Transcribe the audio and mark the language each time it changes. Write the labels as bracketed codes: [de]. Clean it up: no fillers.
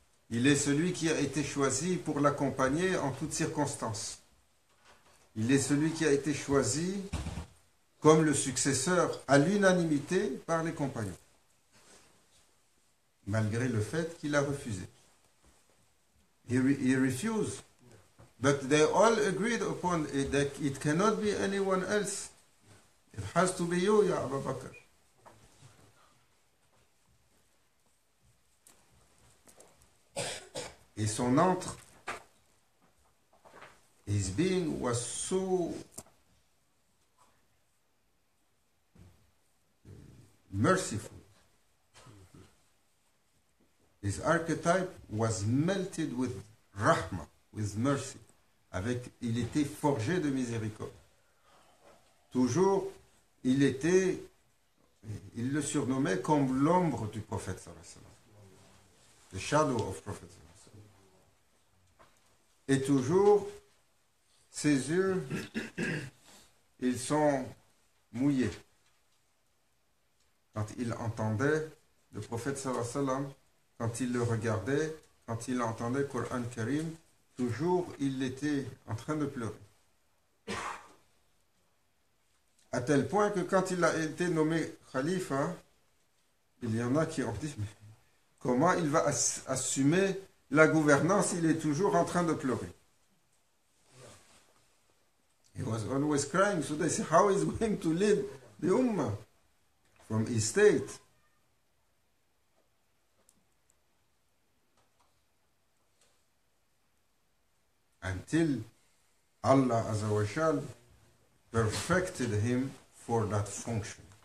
[fr] Il est celui qui a été choisi pour l'accompagner en toutes circonstances. Il est celui qui a été choisi comme le successeur à l'unanimité par les compagnons, malgré le fait qu'il a refusé. [en] He refused. But they all agreed upon it, that it cannot be anyone else. It has to be you, ya Abu Bakr. [fr] Et son entre, [en] his being was so merciful. His archetype was melted with rahma, with mercy. [fr] Avec, il était forgé de miséricorde. Toujours, il était, il le surnommait comme l'ombre du prophète sallallahu alayhi wa sallam. [en] The shadow of prophet sallallahu alayhi wa sallam. [fr] Et toujours, ses yeux, ils sont mouillés. Quand il entendait le prophète sallallahu alayhi wa sallam, quand il le regardait, quand il entendait Coran Karim, toujours il était en train de pleurer. À tel point que quand il a été nommé khalifa, il y en a qui ont dit, mais comment il va assumer la gouvernance, il est toujours en train de pleurer. [en] He was always crying. So they say, how is he going to lead the Ummah from his state? Until Allah Azza wa Jal perfected him for that function.